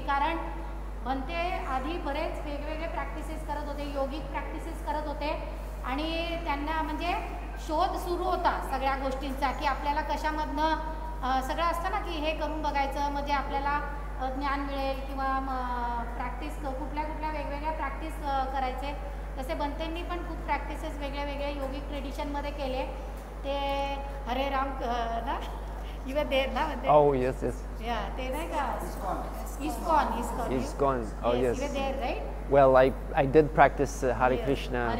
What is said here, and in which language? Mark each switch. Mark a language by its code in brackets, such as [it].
[mr] कारण भंते आधी बरेच वेगवेगळे प्रॅक्टिसेस करत होते, योगिक प्रॅक्टिसेस करत होते, आणि त्यांना म्हणजे शोध सुरू होता सगळ्या गोष्टींचा की आपल्याला कशामधनं सगळं असतं ना की हे करून बघायचं म्हणजे आपल्याला ज्ञान मिळेल किंवा प्रॅक्टिस कुठल्या कुठल्या वेगवेगळ्या प्रॅक्टिस करायचे. तसे भंतेंनी पण खूप प्रॅक्टिसेस वेगळ्या वेगळ्या योगिक ट्रेडिशनमध्ये केले, ते हरे राम ना इवन देव ना म्हणते [en] oh yes yes [mr] या ते नाही का [en] Iskon. Oh, yes. You were there, right? Well, I did practice Hare Krishna.